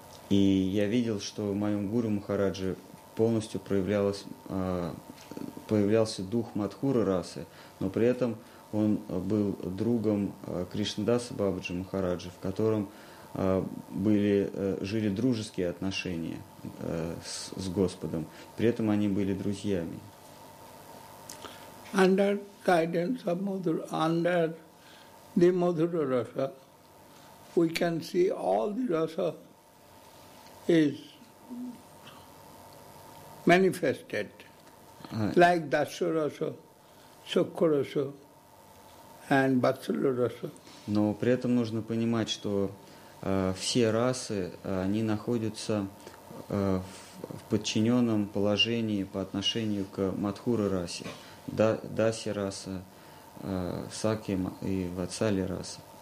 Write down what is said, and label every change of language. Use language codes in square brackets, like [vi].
[ru] И я видел, что в моем Гуру Махараджи полностью появлялся дух Мадхура расы, но при этом он был другом Кришнадаса Бабаджи Махараджи, в котором жили дружеские отношения с Господом. При этом они были друзьями. [en] Under guidance of Madhura, under the Madhura rasa, we can see all the rasa is manifested, like Dasya rasa, Sukha rasa, and Vatsala rasa. [ru] Но при этом нужно понимать, что все расы, они находятся в подчиненном положении по отношению к Мадхура расе, Даси раса, Саки и Вацали раса.